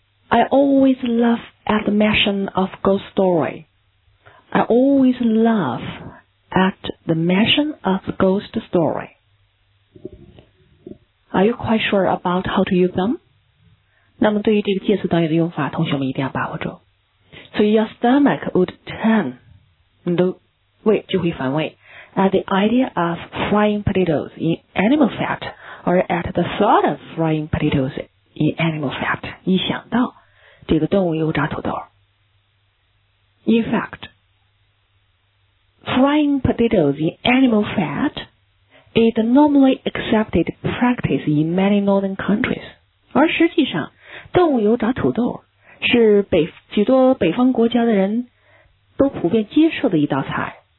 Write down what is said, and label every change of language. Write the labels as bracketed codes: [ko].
[en] I always love at the mention of ghost story. I always love at the mention of ghost story. Are you quite sure about how to use them? [zh] 那么对于这个介词短语的用法，同学们一定要把握住。 [en] So your stomach would turn, [zh] 你的胃就会反胃 [en] at the idea of frying potatoes in animal fat. Or at the thought of frying potatoes in animal fat. [zh] 一想到这个动物油炸土豆。 [en] In fact, frying potatoes in animal fat is normally accepted practice in many northern countries. [zh] 而实际上动物油炸土豆是许多北方国家的人都普遍接受的一道菜。